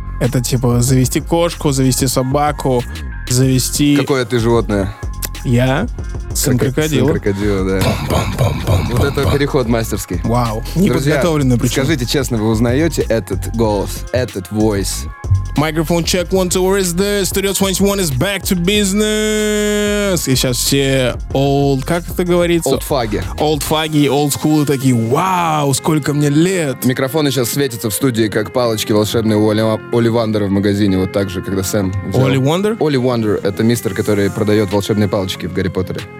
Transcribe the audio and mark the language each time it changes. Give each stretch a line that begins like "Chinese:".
Russian: Это типа завести кошку, завести собаку, завести... Какое ты животное? Я? Сын крокодил. Сын крокодил, да. Бам-бам-бам-бам-бам. Вот это переход мастерский. Вау, неподготовленный причем. Скажите честно, вы узнаете этот голос, этот voice?
English: Microphone check, one, two, where is the Studio 21 is back to business.
Russian: И сейчас все old, как это говорится? Old фаги. Old фаги, old school, такие, вау, сколько мне лет. Микрофоны сейчас светятся в студии, как палочки волшебные у Оливандера в магазине, вот так же, когда Сэм взял. Оливандер? Оливандер, это мистер, который продает волшебные палочки в Гарри Поттере.